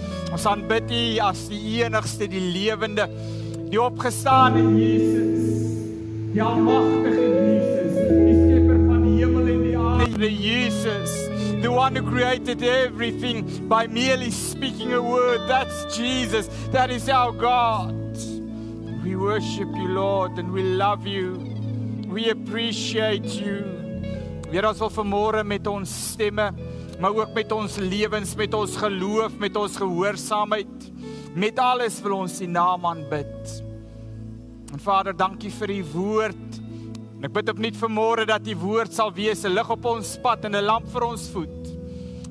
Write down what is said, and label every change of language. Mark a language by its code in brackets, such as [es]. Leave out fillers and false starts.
[af] Ons aanbid U as die enigste, die levende, die opgestane Jesus, die almachtige Jesus, die skepper van die hemel en die aarde. [en] Jesus, the one who created everything by merely speaking a word, that's Jesus, that is our God. We worship You, Lord, and we love You. We appreciate You. [af] Heer, ons wil vanmorgen met ons stemme, maar ook met ons levens, met ons geloof, met ons gehoorzaamheid, met alles wil ons die naam aanbid. En Vader, dank U vir die woord. En ek bid opnuut vanmorgen dat die woord sal wees, een lig op ons pad en een lamp vir ons voet.